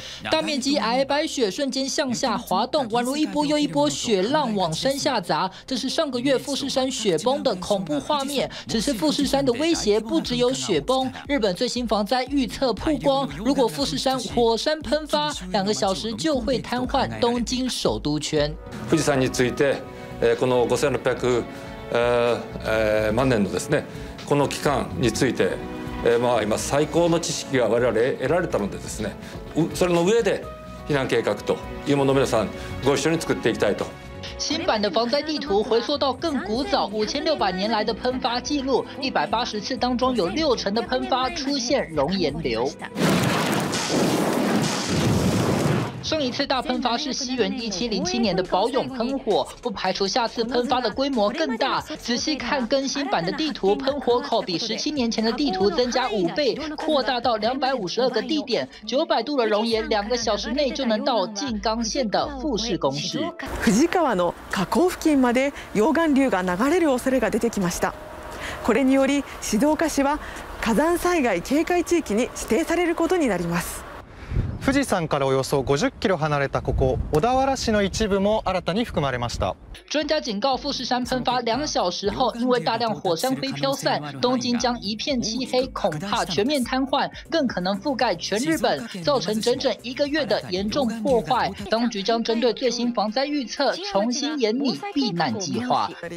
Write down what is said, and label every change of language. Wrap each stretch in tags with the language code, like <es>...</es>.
<zh>大面积皑白雪瞬间向下滑动，宛如一波又一波雪浪往山下砸。这是上个月富士山雪崩的恐怖画面。只是富士山的威胁不只有雪崩，日本最新防灾预测曝光，如果富士山火山喷发，2个小时就会瘫痪东京首都圈。</zh> <ja>富士山についてこの5600万年のですね、この期間について、まあ今最高の知識が我々得られたのでですね、それの上で避難計画というものを皆さんご一緒に作っていきたいと。</ja> <zh>新版的防灾地图回溯到更古早，5600年来的喷发记录，180次当中有60%的喷发出现熔岩流。上一次大喷发是西元1707年的宝永喷火，不排除下次喷发的规模更大。仔细看更新版的地图，喷火口比17年前的地图增加5倍，扩大到252个地点，900度的熔岩，2个小时内就能到静冈县的富士宫市。</zh> <ja>富士川の河口付近まで溶岩流が流れる恐れが出てきました。これにより静岡市は火山災害警戒地域に指定されることになります。富士山からおよそ50キロ離れたここ小田原市の一部も新たに含まれました。</ja> <zh>专家警告，富士山喷发2小时后，因为大量火山灰飘散，东京将一片漆黑，恐怕全面瘫痪，更可能覆盖全日本，造成整整1个月的严重破坏。当局将针对最新防灾预测重新研拟避难计划。</zh>